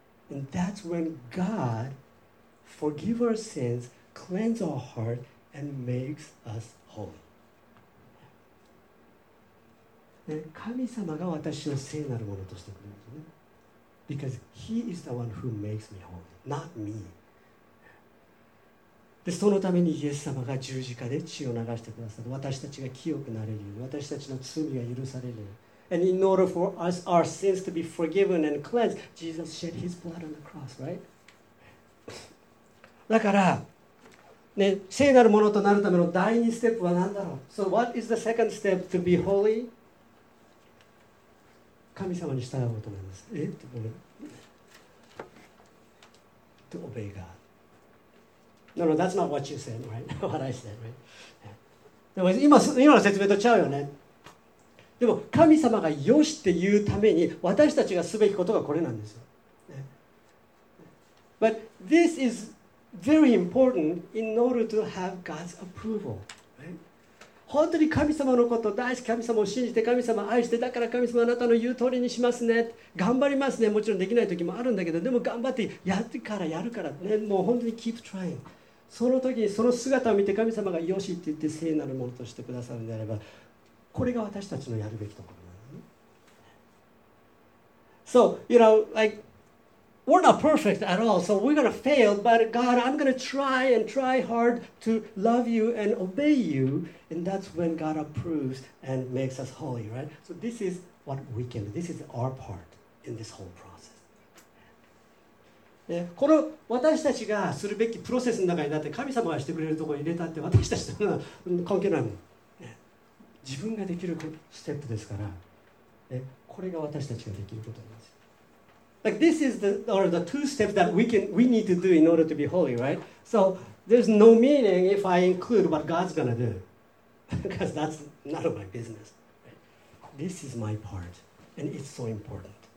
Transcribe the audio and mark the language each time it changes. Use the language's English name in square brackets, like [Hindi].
[English] And that's when God forgives our sins, cleanses our heart, and makes us holy. [Japanese] ね、神様が私を聖なるものとしてくれるんですね。 [English] Because He is the one who makes me holy, not me. [Japanese] で、そのためにイエス様が十字架で血を流してくださる。私たちが清くなれるように、私たちの罪が許されるように。 [English] And in order for us, our sins to be forgiven and cleansed, Jesus shed His blood on the cross, right? [Japanese] だから、ね、聖なるものとなるための第二ステップは何だろう? [English] So what is the second step to be holy? [Japanese] 神様に従うことなんです。え? [English] To obey God. No, no, that's not what you said, right? what I said, right? [Japanese] でも今の説明とちゃうよね。でも神様がよしって言うために私たちがすべきことがこれなんですよ。 [English] But this is very important in order to have God's approval. [Japanese] 本当に神様のこと大好き、神様を信じて、神様を愛して、だから神様あなたの言う通りにしますね、頑張りますね。もちろんできない時もあるんだけど、でも頑張ってやるからやるからね、もう本当に [English] keep trying。 [Japanese] その時にその姿を見て神様がよしって言って聖なるものとしてくださるんであれば。これが私たちのやるべきところなのね。 [English] So, you know, like, we're not perfect at all, so we're gonna fail, but God, I'm gonna try and try hard to love you and obey you, and that's when God approves and makes us holy, right? So this is what we can do. This is our part in this whole process. [Japanese] この私たちがするべきプロセスの中になって、神様がしてくれるところに入れたって、私たちは関係ないもん。自分ができるステップですから、これが私たちができることなんです。 [English] Like this is the two steps that we need to do in order to be holy, right? So there's no meaning if I include what God's gonna do, because that's none of my business. This is my part, and it's so important.